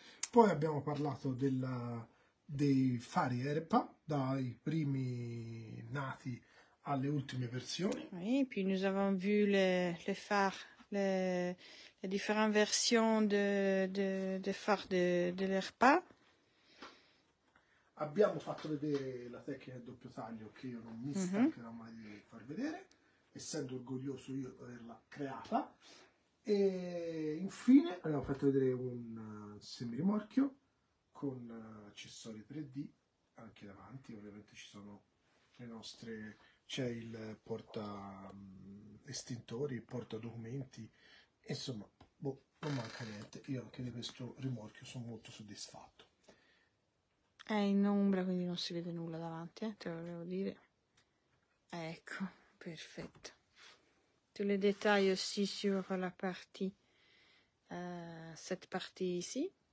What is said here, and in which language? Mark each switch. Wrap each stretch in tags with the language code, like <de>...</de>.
<it>Poi abbiamo parlato dei fari Erpa, dai primi nati alle ultime versioni.</it> <fr>Oui, puis nous avons vu les phares, les différentes versions de phares de l'ERPA.</fr> <it>Abbiamo fatto vedere la tecnica del doppio taglio che io non mi stancherò mai di far vedere, essendo orgoglioso io di averla creata. E infine abbiamo fatto vedere un semirimorchio con accessori 3D anche davanti. Ovviamente ci sono le nostre. C'è il porta estintori, il porta documenti, insomma, boh, non manca niente. Io anche di questo rimorchio sono molto soddisfatto. È in ombra, quindi non si vede nulla davanti, te lo volevo dire. Ecco, perfetto.</it> <fr>Tous les détails aussi sur la partie, cette partie ici.</fr>